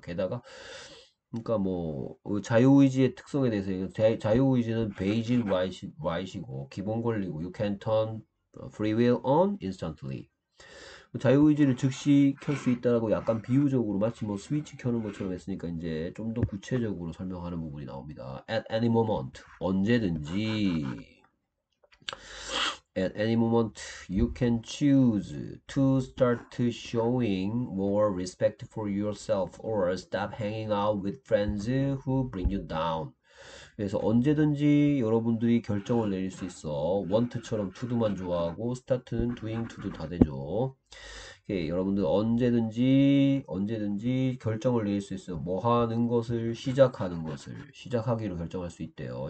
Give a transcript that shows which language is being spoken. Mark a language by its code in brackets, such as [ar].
[ko] 게다가 그러니까 뭐 자유의지의 특성에 대해서 자유의지는 [en] basic right [ko] 이고 기본 권리고 [en] You can turn Free will on instantly. [ko] 자유의지를 즉시 켤수 있다라고 약간 비유적으로 마치 뭐 스위치 켜는 것처럼 했으니까 이제 좀더 구체적으로 설명하는 부분이 나옵니다. [en] At any moment, [ko] 언제든지. [en] At any moment, you can choose to start showing more respect for yourself or stop hanging out with friends who bring you down. [ko] 그래서 언제든지 여러분들이 결정을 내릴 수 있어. want처럼 to도만 좋아하고 start는 doing to도 다 되죠. 오케이, 여러분들 언제든지 결정을 내릴 수 있어. 뭐 하는 것을 시작하는 것을 시작하기로 결정할 수 있대요.